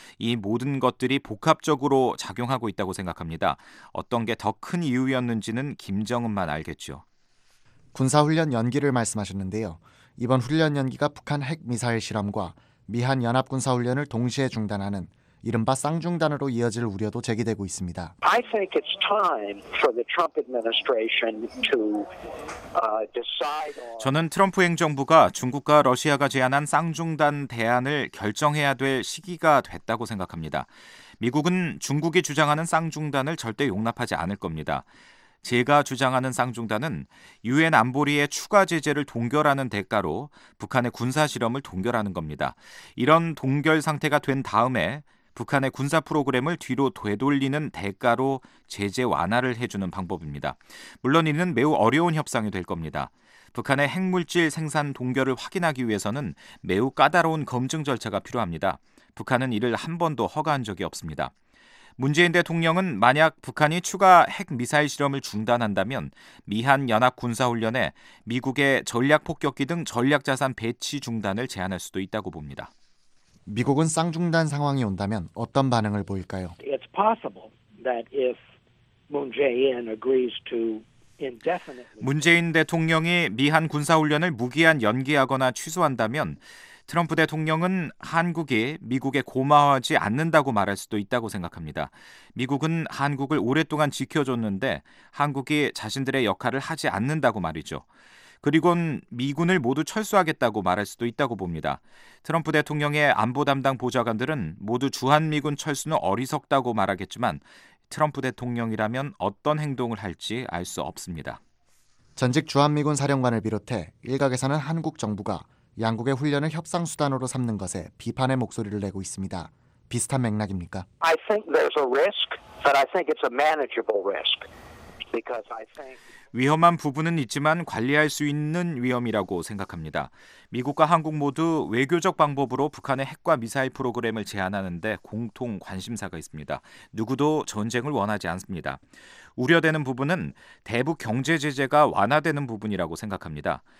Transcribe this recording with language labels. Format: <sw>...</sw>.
<ko>이 모든 것들이 복합적으로 작용하고 있다고 생각합니다. 어떤 게 더 큰 이유였는지는 김정은만 알겠죠. 군사훈련 연기를 말씀하셨는데요. 이번 훈련 연기가 북한 핵미사일 실험과 미한 연합군사훈련을 동시에 중단하는 이른바 쌍중단으로 이어질 우려도 제기되고 있습니다.</ko> <en>I think it's time for the Trump administration to decide.</en> <ko>저는 트럼프 행정부가 중국과 러시아가 제안한 쌍중단 대안을 결정해야 될 시기가 됐다고 생각합니다. 미국은 중국이 주장하는 쌍중단을 절대 용납하지 않을 겁니다. 제가 주장하는 쌍중단은 유엔 안보리의 추가 제재를 동결하는 대가로 북한의 군사 실험을 동결하는 겁니다. 이런 동결 상태가 된 다음에 북한의 군사 프로그램을 뒤로 되돌리는 대가로 제재 완화를 해주는 방법입니다. 물론 이는 매우 어려운 협상이 될 겁니다. 북한의 핵물질 생산 동결을 확인하기 위해서는 매우 까다로운 검증 절차가 필요합니다. 북한은 이를 한 번도 허가한 적이 없습니다. 문재인 대통령은 만약 북한이 추가 핵미사일 실험을 중단한다면 미한 연합군사훈련에 미국의 전략폭격기 등 전략자산 배치 중단을 제안할 수도 있다고 봅니다. 미국은 쌍중단 상황이 온다면 어떤 반응을 보일까요?</ko> <en>It's possible that if Moon Jae-in agrees to</en> <ko>문재인 대통령이 미한 군사훈련을 무기한 연기하거나 취소한다면 트럼프 대통령은 한국이 미국에 고마워하지 않는다고 말할 수도 있다고 생각합니다. 미국은 한국을 오랫동안 지켜줬는데 한국이 자신들의 역할을 하지 않는다고 말이죠. 그리고는 미군을 모두 철수하겠다고 말할 수도 있다고 봅니다. 트럼프 대통령의 안보 담당 보좌관들은 모두 주한미군 철수는 어리석다고 말하겠지만 트럼프 대통령이라면 어떤 행동을 할지 알 수 없습니다. 전직 주한미군 사령관을 비롯해 일각에서는 한국 정부가 양국의 훈련을 협상 수단으로 삼는 것에 비판의 목소리를 내고 있습니다. 비슷한 맥락입니까?</ko> <en>I think there's a risk, but I think it's a manageable risk. Because I think</en> <ko>위험한 부분은 있지만 관리할 수 있는 위험이라고 생각합니다. 미국과 한국 모두 외교적 방법으로 북한의 핵과 미사일 프로그램을 제한하는데 공통 관심사가 있습니다. 누구도 전쟁을 원하지 않습니다. 우려되는 부분은 대북 경제 제재가 완화되는 부분이라고 생각합니다.</ko>